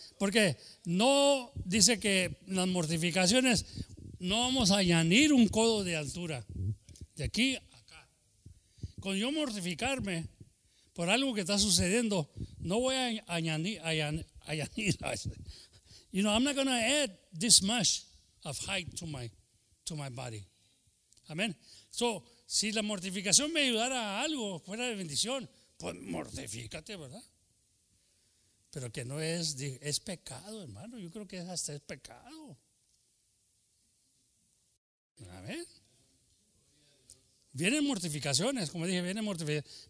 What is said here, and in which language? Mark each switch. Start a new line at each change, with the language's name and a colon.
Spanish: Porque no dice que las mortificaciones, no vamos a añadir un codo de altura. De aquí a acá. Con yo mortificarme por algo que está sucediendo, no voy a añadir a ese.
English: You know, I'm not going to add this much of height to my body. Amen.
Spanish: So, si la mortificación me ayudara a algo, fuera de bendición, pues mortifícate, ¿verdad? Pero que no es pecado, hermano. Yo creo que hasta es pecado. Amen. Vienen mortificaciones, como dije, vienen mortificaciones.